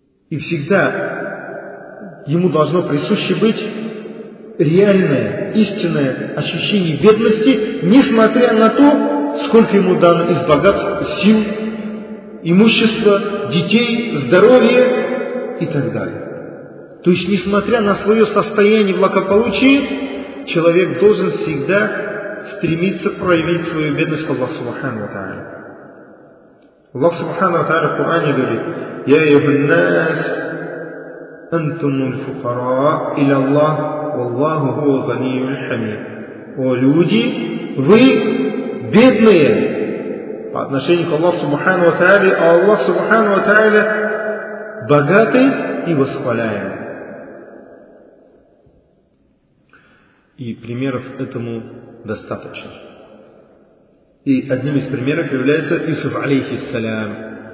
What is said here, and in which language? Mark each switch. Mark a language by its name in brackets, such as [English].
[Russian] И всегда ему должно присуще быть реальное, истинное ощущение бедности, несмотря на то, сколько ему дано из богатств, сил, имущества, детей, здоровья и так далее. То есть, несмотря на свое состояние благополучия, человек должен всегда стремиться проявить свою бедность к Аллаху Субхану ва Тааля. Аллах Субхану ва Тааля в Коране говорит, [Arabic] يا أيها الناس أنتم الفقراء إلى الله والله هو الغني الحميد. [Russian] О люди, вы бедные по отношению к Аллаху Субхану ва Тааля, а Аллах Субхану ва Тааля богатый и восхваляемый. И примеров этому достаточно. И одним из примеров является Юсуф алейхиссалям.